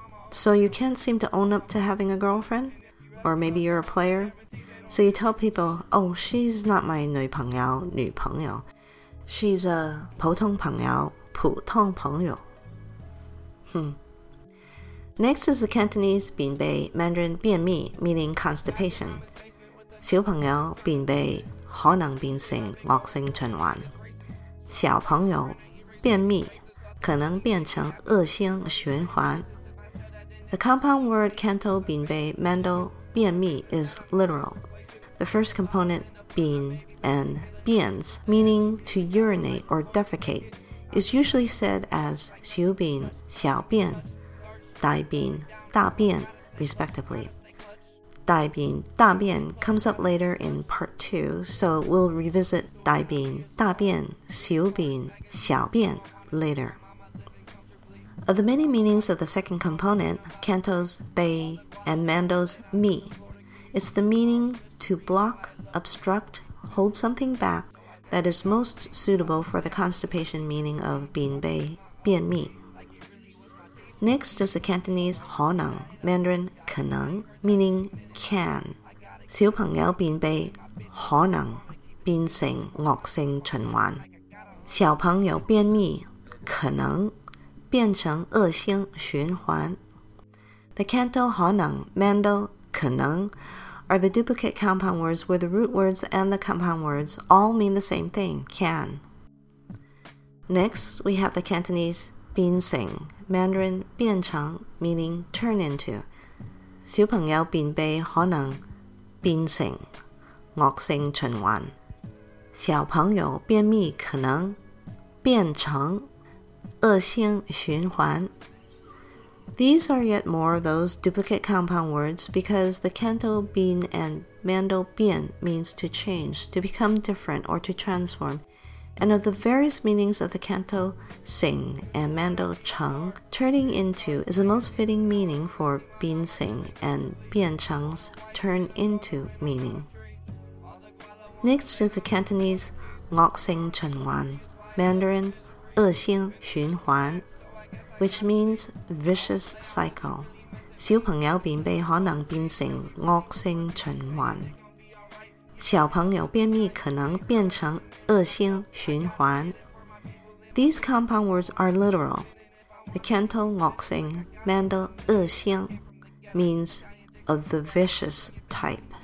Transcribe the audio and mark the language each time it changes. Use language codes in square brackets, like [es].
[en] So you can't seem to own up to having a girlfriend? Or maybe you're a player? So you tell people, oh, she's not my 女朋友, 女朋友. She's a 普通朋友, 普通朋友. Next is the Cantonese 便秘, Mandarin 便秘, meaning constipation. [zh] 小朋友便秘可能变成恶性循环。小朋友便秘可能变成恶性循环。 [en] The compound word Canto 便秘, Mando 便秘 is literal. The first component 便 and 便 meaning to urinate or defecate, is usually said as 小便、小便。大便、大便, respectively. 大便、大便 comes up later in part 2, so we'll revisit 大便、大便、小便、小便 later. Of the many meanings of the second component, Canto's 被 and Mando's 密, it's the meaning to block, obstruct, hold something back that is most suitable for the constipation meaning of 便被、便密. Next is the Cantonese 可能, Mandarin 可能, meaning can. [zh] 小朋友便秘可能变成恶性循环。小朋友便秘可能变成恶性循环。 [en] The canto 可能, Mando 可能 are the duplicate compound words where the root words and the compound words all mean the same thing, can. Next, we have the Cantonese 变成。Mandarin 变成 meaning turn into. [zh] 小朋友便秘可能变成恶性循环。小朋友便秘可能变成恶性循环。 [en] These are yet more of those duplicate compound words because the canto 变 and mando 变 means to change, to become different or to transform. And of the various meanings of the canto 成 and mando 成, turning into is the most fitting meaning for 变成 and 变成's turn into meaning. Next is the Cantonese 恶性循环, Mandarin 恶性循环, which means vicious cycle. [zh] 小朋友便秘可能变成恶性循环。小朋友便秘可能变成恶性循环。 [en] These compound words are literal. The canto 恶性, mando 恶性, means of the vicious type.